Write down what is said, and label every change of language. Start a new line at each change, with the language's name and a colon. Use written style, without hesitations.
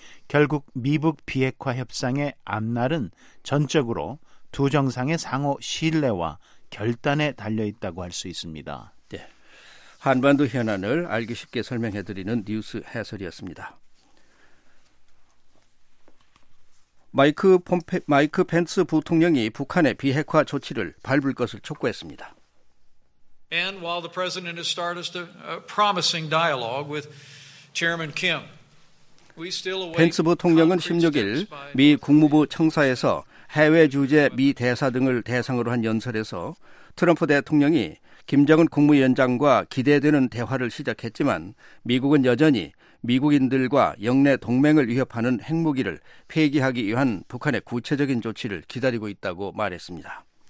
Korean: 결국 미북 비핵화 협상의 앞날은 전적으로 두 정상의 상호 신뢰와 결단에 달려있다고 할 수 있습니다. 네. 한반도 현안을 알기 쉽게 설명해드리는 뉴스 해설이었습니다. 마이크 펜스 부통령이 북한의 비핵화 조치를 밟을 것을 촉구했습니다.
English: And while the president has started a promising dialogue with Chairman Kim, we still await.
Korean: 펜스 부통령은 16일 미 국무부 청사에서 해외 주재 미 대사 등을 대상으로 한 연설에서 트럼프 대통령이 김정은 국무위원장과 기대되는 대화를 시작했지만 미국은 여전히 미국인들과 영내 동맹을 위협하는 핵무기를 폐기하기 위한 북한의 구체적인 조치를 기다리고 있다고 말했습니다.